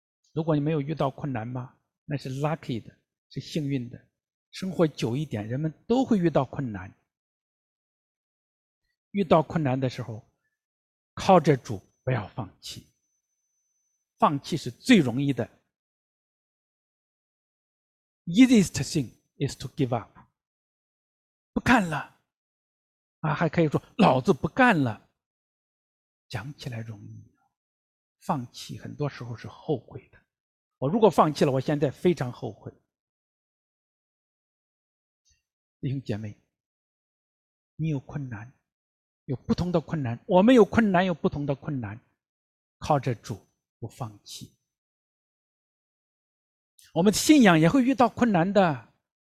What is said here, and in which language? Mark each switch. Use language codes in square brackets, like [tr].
[zh] 如果你没有遇到困难吗？那是 lucky 的，是幸运的。生活久一点，人们都会遇到困难。遇到困难的时候，靠着主，不要放弃。放弃是最容易的。 [en] Easiest thing is to give up. [zh] 不干了。啊，还可以说老子不干了，讲起来容易，放弃很多时候是后悔的。我如果放弃了，我现在非常后悔。弟兄姐妹，你有困难，有不同的困难，我们有困难，有不同的困难，靠着主不放弃。我们信仰也会遇到困难的，